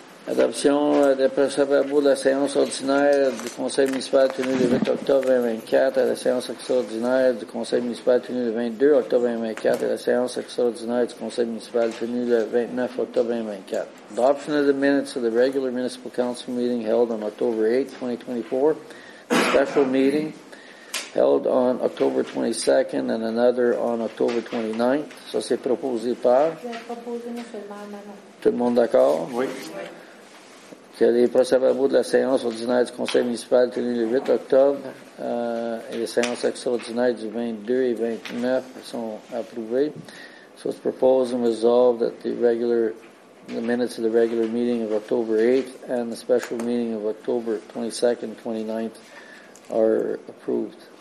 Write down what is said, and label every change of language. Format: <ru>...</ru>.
<fr>Adoption des procès-verbaux de la séance ordinaire du Conseil municipal tenu le 8 octobre 2024 à la séance extraordinaire du Conseil municipal tenu le 22 octobre 2024 et la séance extraordinaire du Conseil municipal tenu le 29 octobre 2024.</fr> <en>Adoption of the minutes of the regular municipal council meeting held on October 8, 2024. Special meeting held on October 22nd and another on October 29th.</en> <fr>Ça, c'est proposé par? Tout le monde d'accord? Oui. Que les procès-verbaux de la séance ordinaire du conseil municipal tenue le 8 octobre et les séances extraordinaires du 22 et 29 sont approuvées.</fr> <en>So it's proposed and resolved that the minutes of the regular meeting of October 8th and the special meeting of October 22nd, 29th are approved.</en>